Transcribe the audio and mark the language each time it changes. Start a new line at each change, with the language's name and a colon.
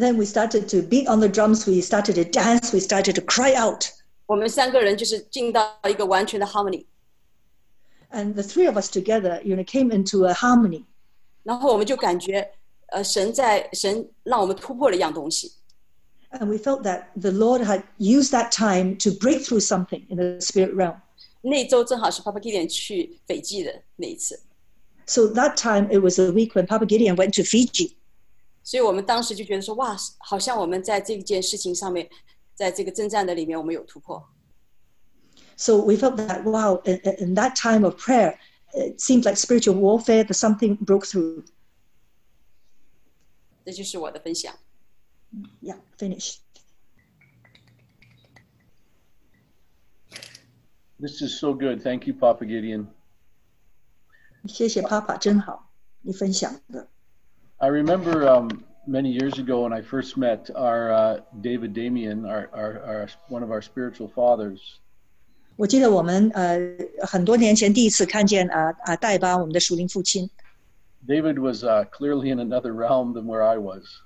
English: then we started to beat on the drums, we started to dance, we started to cry out.
Chinese: 我们三个人就是进到一个完全的 harmony.
English: And the three of us together, you know, came into a harmony.
Chinese: 然后我们就感觉 神让我们突破了一样东西。
English: And we felt that the Lord had used that time to break through something in the spirit realm.
Chinese: 那周正好是Papa Gideon去斐济的那一次。
English: So that time, it was a week when Papa Gideon went to Fiji.
Chinese: 所以我们当时就觉得说,哇,好像我们在这件事情上面,在这个征战的里面我们有突破。
English: So we felt that, wow, in that time of prayer, it seemed like spiritual warfare, that something broke through.
Chinese: 这就是我的分享。
English: Yeah, finished. This is so good. Thank you, Papa Gideon.
Chinese: 谢谢Papa,真好,你分享的。
English: I remember many years ago when I first met our David Damien, one of our spiritual fathers.
Chinese: 我记得我们很多年前第一次看见戴巴,我们的属灵父亲。
English: David was clearly in another realm than where I was.